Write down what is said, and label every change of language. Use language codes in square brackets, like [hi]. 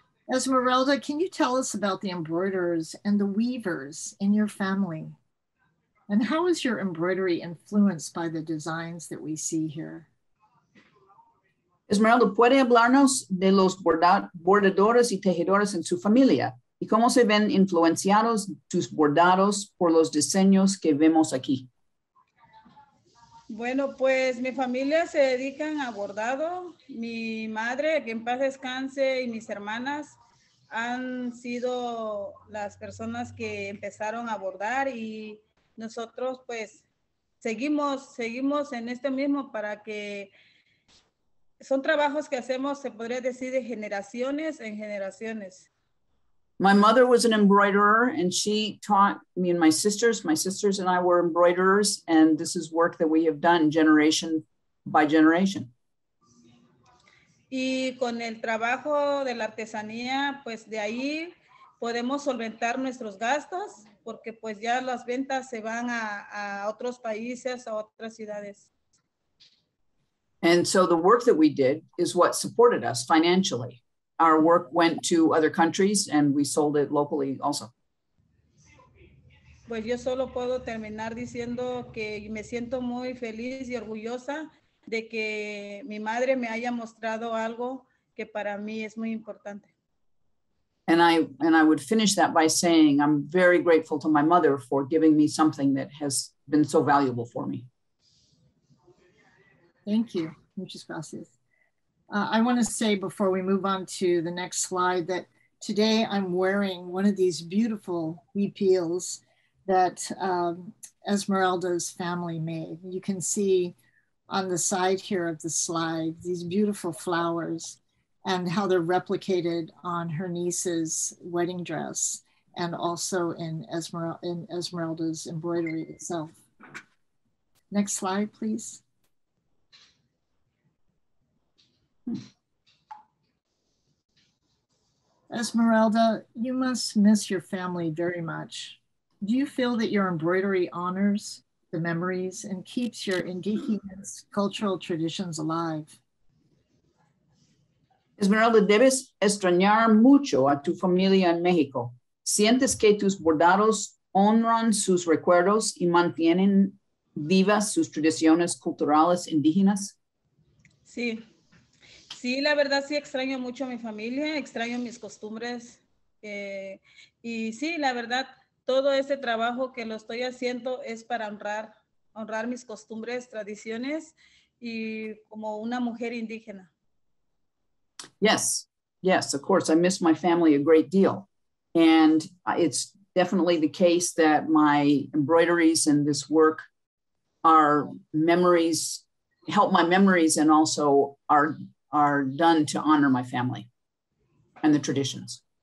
[en] Esmeralda, can you tell us about the embroiderers and the weavers in your family? And how is your embroidery influenced by the designs that we see here? [es] Esmeralda, ¿puede hablarnos de los bordadores y tejedoras en su familia? ¿Y cómo se ven influenciados tus bordados por los diseños que vemos aquí? Bueno, pues mi familia se dedican a bordado. Mi madre, que en paz descanse, y mis hermanas han sido las personas que empezaron a bordar y nosotros pues seguimos en este mismo para que son trabajos que hacemos, se podría decir, de generaciones en generaciones. [en] My mother was an embroiderer and she taught me and my sisters. My sisters and I were embroiderers, and this is work that we have done generation by generation. [es] Y con el trabajo de la artesanía, pues de ahí podemos solventar nuestros gastos porque pues ya las ventas se van a otros países, a otras ciudades. [en] And so the work that we did is what supported us financially. Our work went to other countries and we sold it locally also. [es] Pues yo solo puedo terminar diciendo que me siento muy feliz y orgullosa de que mi madre me haya mostrado algo que para mí es muy importante. [en] And I would finish that by saying I'm very grateful to my mother for giving me something that has been so valuable for me. Thank you. [es] Muchas gracias. [en] I want to say before we move on to the next slide that today I'm wearing one of these beautiful huipils that Esmeralda's family made. You can see on the side here of the slide these beautiful flowers and how they're replicated on her niece's wedding dress and also in Esmeralda's embroidery itself. Next slide, please. Esmeralda, you must miss your family very much. Do you feel that your embroidery honors the memories and keeps your indigenous cultural traditions alive? [es] Esmeralda, debes extrañar mucho a tu familia en México. ¿Sientes que tus bordados honran sus recuerdos y mantienen vivas sus tradiciones culturales indígenas? Sí. Sí, la verdad sí extraño mucho a mi familia, extraño mis costumbres. Y sí, la verdad, todo este trabajo que lo estoy haciendo es para honrar honrar mis costumbres, tradiciones, y como una mujer indígena. [en] Yes, yes, of course. I miss my family a great deal. And it's definitely the case that my embroideries and this work are memories, help my memories, and also are done to honor my family and the traditions.